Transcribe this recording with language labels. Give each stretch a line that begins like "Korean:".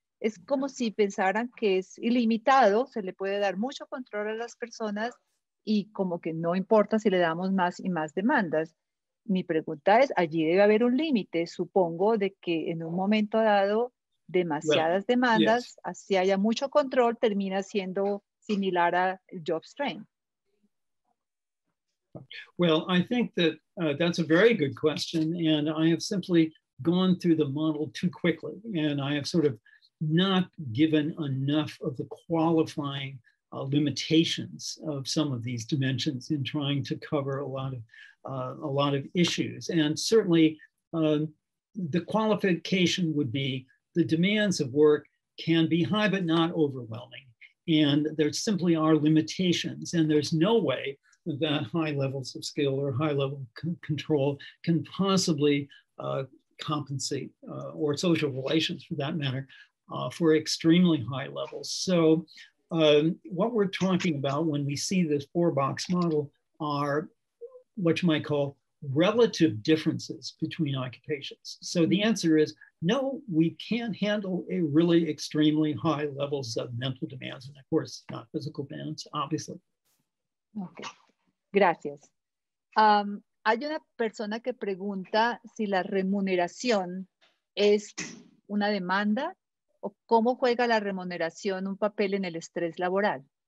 Spanish: Es como si pensaran que es ilimitado, se le puede dar mucho control a las personas y como que no importa si le damos más y más demandas. Mi pregunta es, allí debe haber un límite, supongo, de que en un momento dado demasiadas demandas, así haya mucho control, termina siendo similar a job strain.
English: Well, I think that that's a very good question, and I have simply gone through the model too quickly, and I have sort of not given enough of the qualifying limitations of some of these dimensions in trying to cover a lot of issues. And certainly, the qualification would be the demands of work can be high but not overwhelming, and there simply are limitations, and there's no way that high levels of skill or high level control can possibly compensate, or social relations for that matter, for extremely high levels. So what we're talking about when we see this four-box model are what you might call relative differences between occupations. So the answer is no, we can't handle a really extremely high levels of mental demands, and of course not physical demands, obviously.
Spanish: Okay. Gracias. Hay una persona que pregunta si la remuneración es una demanda o cómo juega la remuneración un papel en el estrés laboral.